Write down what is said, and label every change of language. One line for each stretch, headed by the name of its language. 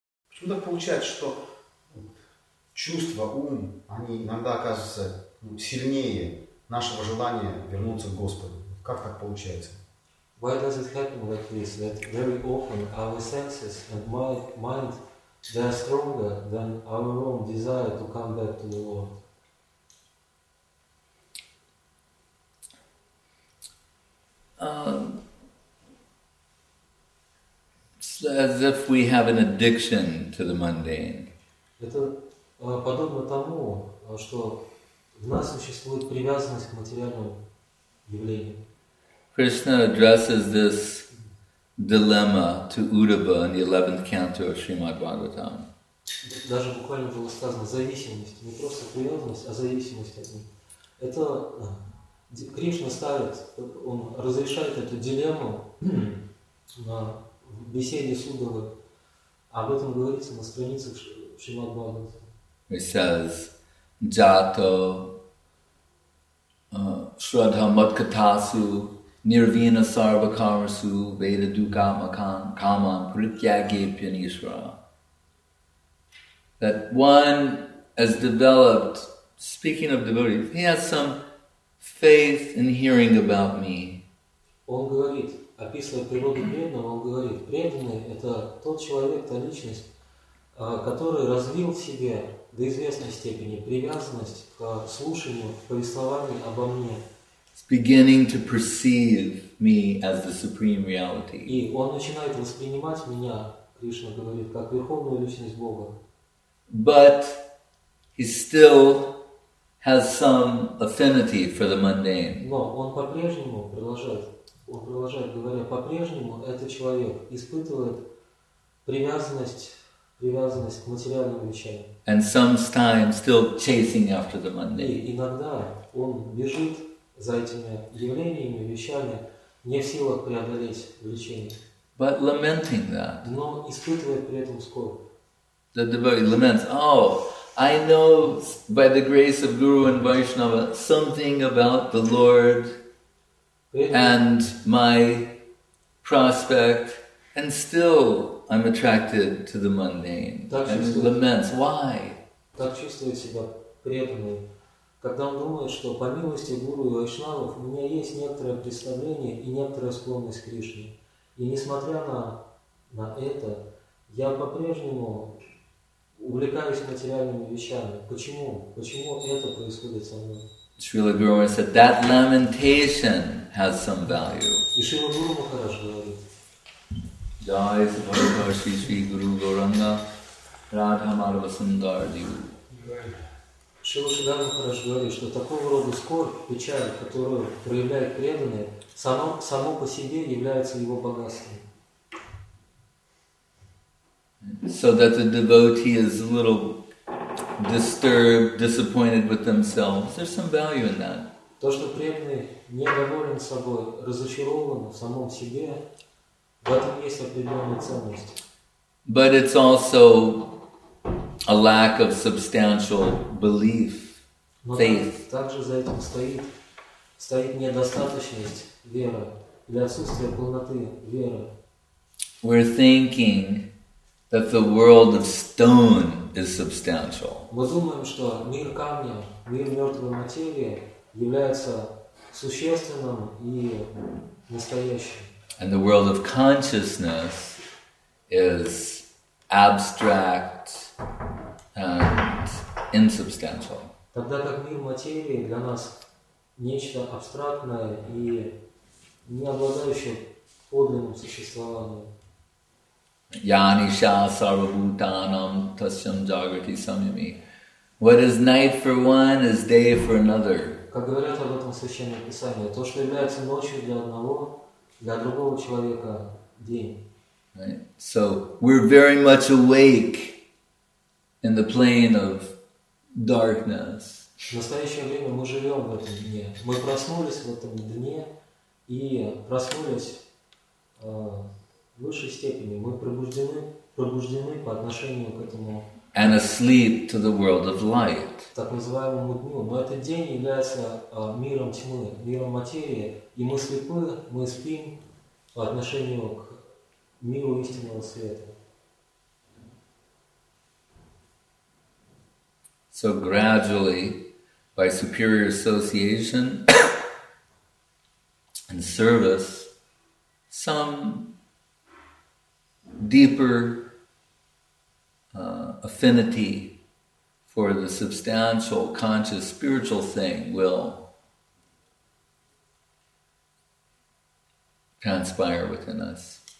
Russian: Чудо получается, что чувства, ум, они иногда оказываются сильнее нашего желания вернуться к Господу. Как так получается?
English: Why does it happen like this, that very often our senses and mind, they are stronger than our own desire to come back to the Lord? As if we have an addiction to the mundane.
Russian: Это подобно тому, что в нас существует привязанность к материальным явлениям.
English: Krishna addresses this dilemma to Uddhava in the 11th canto of Srimad Bhagavatam.
Russian: Даже буквально было сказано зависимость, не просто привязанность, а зависимость от них. Это Кришна ставит, он разрешает эту дилемму на беседе с Удовой. Об этом говорится на страницах Шримад Бхагаватам.
English: He says,
Sanskrit: jato shraddha matkatasu nirvina sarvakarasu vedadukama kama prityagepyanishra.
English: That one has developed, speaking of devotees, he has some faith in hearing about me.
Russian: Он говорит, описывая природу преданного, он говорит, преданный – это тот человек, та личность, который развил в себе до известной степени привязанность к слушанию, к повествованию обо мне.
English: It's beginning to perceive me as the supreme reality.
Russian: И он начинает воспринимать меня, Кришна говорит, как верховную личность Бога.
English: But he still has some affinity for the mundane.
Russian: Но он по-прежнему продолжает. Он продолжает, говоря, по-прежнему этот человек испытывает привязанность к материальным вещам.
English: And sometimes still chasing after the mundane.
Russian: И иногда он бежит за этими явлениями, вещами, не в силах преодолеть влечение.
English: But lamenting that.
Russian: Но испытывает при этом скорбь.
English: The devotee laments, oh, I know by the grace of Guru and Vaishnava something about the Lord and my prospect, and still I'm attracted to the mundane, and laments. Why?
Russian: Так чувствует себя преданный, когда он думает, что по милости Гуру и Вайшнавов у меня есть некоторое представление и некоторая склонность к Кришне. И несмотря на это, я по-прежнему увлекаюсь материальными вещами. Почему? Почему это происходит со мной?
English: Srila Guru Maharaj said that lamentation has some value.
Russian: Srila Guru Maharaj говорит.
Sanskrit: Jai Subhadra Shri Shri Guru Gauranga Radha Madhava Sundar Diu.
Russian: Srila Guru Maharaj говорит, что такого рода скорбь, печаль, которую проявляет преданный, само по себе является его богатством.
English: So that the devotee is a little disturbed, disappointed with themselves. There's some value in that.
Russian: То, что преданный недоволен собой, разочарован в самом себе, в этом есть определенная ценность.
English: But it's also a lack of substantial belief, faith.
Russian: Также за этим стоит недостаточность веры или отсутствие полноты веры.
English: We're thinking that the world of stone is substantial.
Russian: Мы думаем, что мир камня, мир мертвой материи является существенным и настоящим.
English: And the world of consciousness is abstract and insubstantial.
Russian: Тогда как мир материи для нас нечто абстрактное и не обладающее подлинным существованием.
Sanskrit: Yanisha sarvabhutanam tasyam jagrati samyami.
English: What is night for one is day for another.
Russian: Как говорят об этом священном писании, то, что является ночью для одного, для другого человека день.
English: Right. So we're very much awake in the plane of darkness.
Russian: В настоящее время мы живем в этом дне. Мы проснулись в этом дне и проснулись. В высшей степени мы пробуждены по отношению к этому.
English: And asleep to the world of light.
Russian: Так называемому дню. Но этот день является миром тьмы, миром материи. И мы слепы, мы спим по отношению к миру истинного света.
English: So gradually, by superior association and service, some deeper affinity for the substantial, conscious, spiritual thing will transpire within us.